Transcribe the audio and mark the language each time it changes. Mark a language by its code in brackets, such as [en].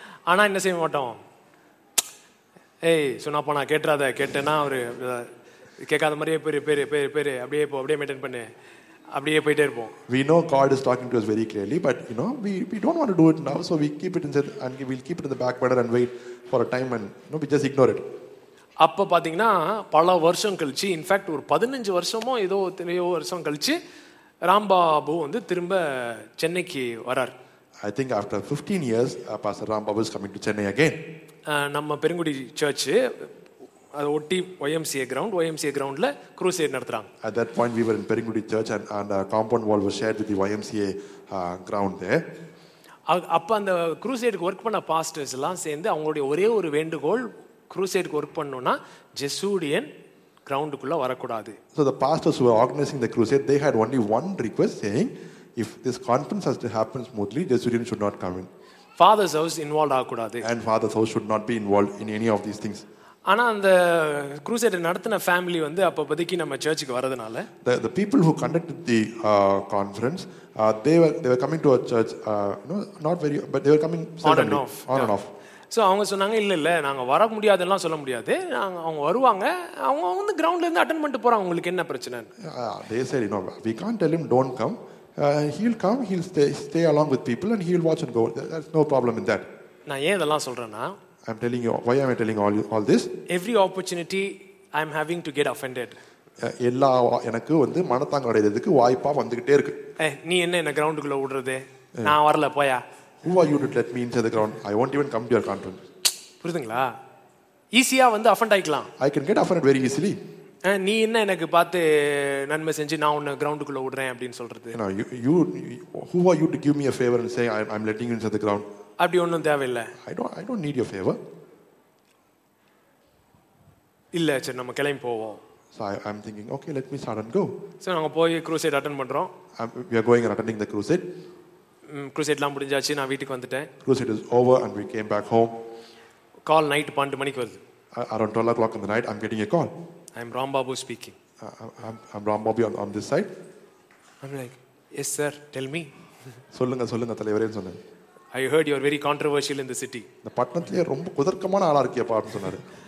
[ta] ஆனால் என்ன செய்ய மாட்டோம், ஏய் சொன்னா போனா கேட்டுறாத கேட்டேன்னா அவரு கேட்காத மாதிரியே பேர் பேர் பேர் பேர் அப்படியே போ அப்படியே மெயின்டைன் பண்ணு அப்படியே போயிட்டே இருப்போம். [en] We know God is talking to us very clearly, but you know, we don't want to do it now, so we keep it inside and we'll keep it in the back burner and wait for a time and you know, we just ignore it. [ta] அப்போ பார்த்தீங்கன்னா பல வருஷம் கழிச்சு, in fact ஒரு 15 வருஷமோ ஏதோ எத்தனையோ வருஷம் கழிச்சு ராம்பாபு வந்து திரும்ப சென்னைக்கு வரார். [en] I think after 15 years Pastor Rambabu is coming to Chennai again. [ta] நம்ம பெருங்குடி சர்ச்சு அதை ஒட்டி YMCA கிரவுண்ட், YMCA கிரவுண்டில் க்ரூஸ் ஏட் நடத்துகிறாங்க. [en] At that point we were in Perungudi church and compound wall was shared with the YMCA ground there. [ta] அப்போ அந்த cruise ஏட்க்கு work பண்ண pastors எல்லாம் சேர்ந்து அவங்களுடைய ஒரே ஒரு வேண்டுகோள், க்ரூஸ் ஏட்க்கு ஒர்க் பண்ணோம்னா ஜெசூடியன் கிரவுண்டுக்குள்ள வரக்கூடாது. [en] So the pastors who were organizing the crusade, they had only one request saying, if this conference has to happen smoothly, Jesurian should not come in. Father's house involved [ta] ஆகக்கூடாது. [en] And father's house should not be involved in any of these things. [ta] ஆனா அந்த crusade நடத்தின family வந்து அப்பப்பதிக்கு நம்ம சர்ச்சுக்கு வரதுனால, [en] the people who conducted the conference, they were coming to our church, you know, not very, but they were coming suddenly, on and off. Yeah. [ta] So அவங்க சொன்னாங்க, இல்லை இல்லை நாங்கள் வர முடியாதுலாம் சொல்ல முடியாது, நாங்கள் அவங்க வருவாங்க, அவங்க வந்து கிரவுண்ட்லேருந்து அட்டன் பண்ணிட்டு போகிறாங்க, உங்களுக்கு என்ன பிரச்சனை? [en] They sir you know we can tell him don't come, he'll come, he'll stay along with people and he'll watch and go, that's no problem in that. [ta] நான் ஏன் இதெல்லாம் சொல்கிறேன்னா, [en] I'm telling you why am I telling all this, every opportunity I am having to get offended, [ta] எல்லா எனக்கு வந்து மனத்தாங்க அடைகிறதுக்கு வாய்ப்பாக வந்துக்கிட்டே இருக்கு. நீ என்ன என்ன கிரவுண்டுக்குள்ளே விடுறது, நான் வரல போயா, [en] who are you to let me into the ground, I won't even come to your conference. [ta] புரியுதுங்களா? ஈஸியா வந்து அஃபண்ட் ஆகலாம். [en] I can get offended very easily. [ta] நீ என்ன எனக்கு பார்த்து நன்மை செஞ்சு நான் உன்ன கிரவுண்ட் குள்ள ஓடுறேன் அப்படி சொல்றது. [en] No, you who are you to give me a favor and say I'm letting you into the ground. [ta] அப்படி ஒண்ணும் தேவையில்லை. [en] I don't need your favor. [ta] இல்ல சரி நம்ம கிளம்பி போவோம். [en] So I'm thinking, okay, let me start and go. [ta] சரி நாங்க போய் க்ரூசேட் அட்டெண்ட் பண்றோம். [en] We are going and attending the crusade. [ta] க்ரூசேட்லாம் முடிஞ்சாச்சு, நான் வீட்டுக்கு வந்துட்டேன். [en] Crusade is over and we came back home. [ta] Call night 12 மணிக்கு வருது. [en] Around 12 o'clock in the night I'm getting a call. I'm Rambabu speaking. I'm Rambabu on this side. I'm like, yes sir, tell me. [ta] சொல்லுங்க சொல்லுங்க தலைவரே சொன்னாரு. [en] I heard you are very controversial in the city. [ta] இந்த பட்டணத்துல ரொம்ப குதர்க்கமான ஆளா இருக்கியா பா சொன்னாரு.